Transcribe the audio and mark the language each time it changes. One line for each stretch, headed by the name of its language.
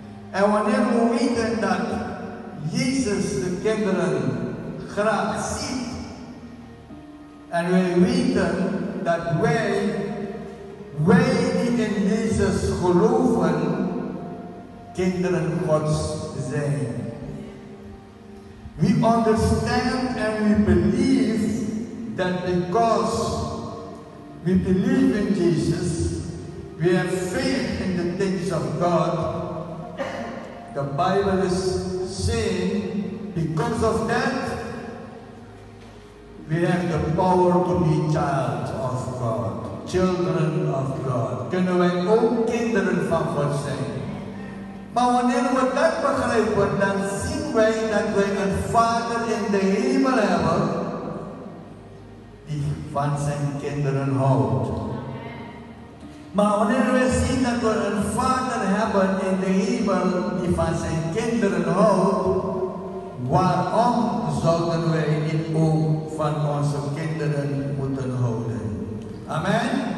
Dutch: En wanneer we weten dat Jezus de kinderen graag ziet, en wij weten dat wij die in Jezus geloven, kinderen Gods zijn.
English: We understand and we believe that because we believe in Jesus, we have faith in the things of God. The Bible is saying, because of that, we have the power to be child of God, children of God.
Dutch: Kunnen wij ook kinderen van God zijn? Maar wanneer we dat begrijpen, dan zien wij dat wij een Vader in de hemel hebben die van zijn kinderen houdt. Maar wanneer we zien dat we een Vader hebben in de hemel die van zijn kinderen houdt, waarom zouden wij niet ook van onze kinderen moeten houden? Amen.